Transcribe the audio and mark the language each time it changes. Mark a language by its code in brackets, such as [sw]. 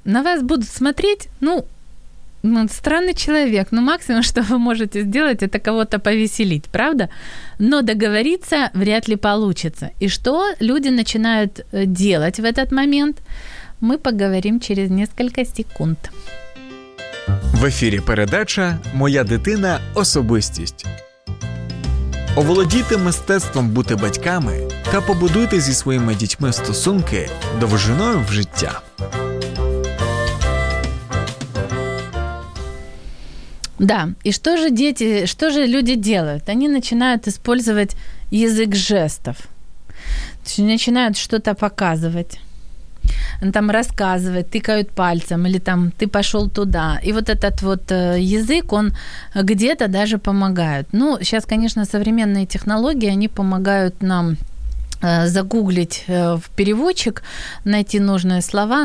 [ru] На вас будут смотреть, ну, странный человек. Ну, максимум, что вы можете сделать, это кого-то повеселить, правда? Но договориться вряд ли получится. И что люди начинают делать в этот момент? Мы поговорим через несколько секунд. [uk] В ефірі передача «Моя дитина – особистість». Оволодіти мистецтвом бути батьками та побудуйте зі своїми дітьми стосунки довжиною в життя. Да, і що ж діти, що ж люди роблять? Вони починають використовувати язик жестів. Починають щось показувати. [ru] Там рассказывают, тыкают пальцем, или там ты пошел туда. И вот этот вот язык, он где-то даже помогает. Ну, сейчас, конечно, современные технологии, они помогают нам загуглить в переводчик, найти нужные слова.